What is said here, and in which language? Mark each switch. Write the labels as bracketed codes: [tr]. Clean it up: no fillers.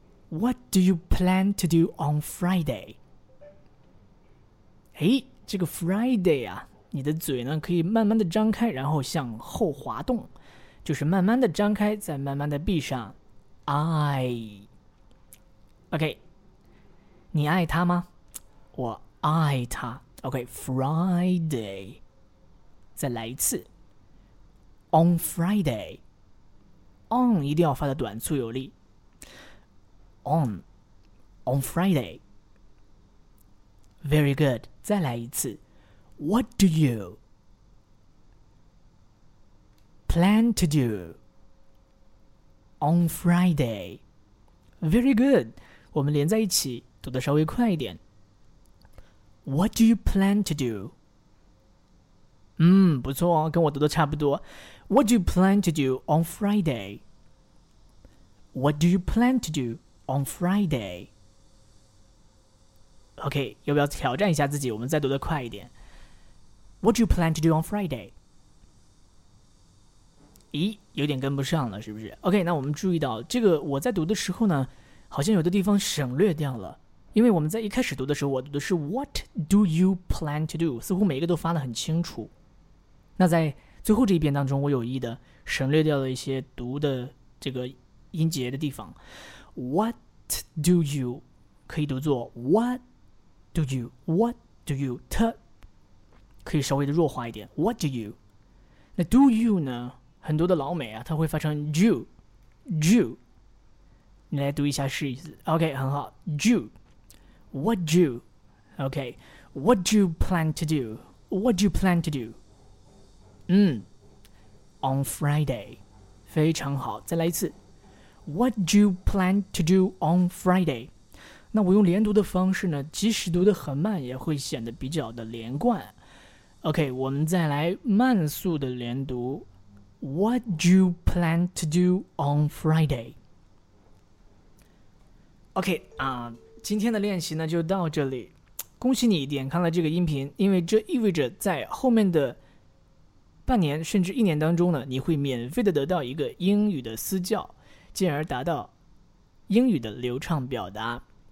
[en] What do you plan to do on Friday? [zh] 哎，这个 Friday 啊，你的嘴呢可以慢慢的张开，然后向后滑动，就是慢慢的张开，再慢慢的闭上。 [en] I， OK， [zh] 你爱他吗？我爱他。OK， Friday， 再来一次。 [en] On Friday， On [zh] 一定要发的短促有力。 [en] On Friday， Very good。 [zh] 再来一次。 [en] What do you plan to do on Friday? Very good. [zh] 我们连在一起读得稍微快一点。 [en] What do you plan to do? [zh] 不错哦，跟我读的差不多。 [en] What do you plan to do on Friday? What do you plan to do on Friday? [zh] OK， 要不要挑战一下自己，我们再读得快一点。 [en] What do you plan to do on Friday? [zh] 咦，有点跟不上了是不是？ OK， 那我们注意到这个，我在读的时候呢好像有的地方省略掉了，因为我们在一开始读的时候我读的是 [en] What do you plan to do， [zh] 似乎每一个都发得很清楚。那在最后这一遍当中，我有意的省略掉了一些读的这个音节的地方。 [en] What do you [zh] 可以读作 [en] WhatDo you? What do you? [zh] 它可以稍微的弱化一点。 [en] What do you? [zh] 那 do you 呢？很多的老美啊，它会发成 do, do。你来读一下试一次。OK， 很好。 [en] Do. What do? OK. What do you plan to do? What do you plan to do? On Friday. [zh] 非常好。再来一次。 [en] What do you plan to do on Friday? [zh] 那我用连读的方式呢，即使读得很慢也会显得比较的连贯。 OK， 我们再来慢速的连读。 [en] What do you plan to do on Friday? [zh] OK， 今天的练习呢就到这里。恭喜你点开了这个音频，因为这意味着在后面的半年甚至一年当中呢，你会免费的得到一个英语的私教，进而达到英语的流畅表达。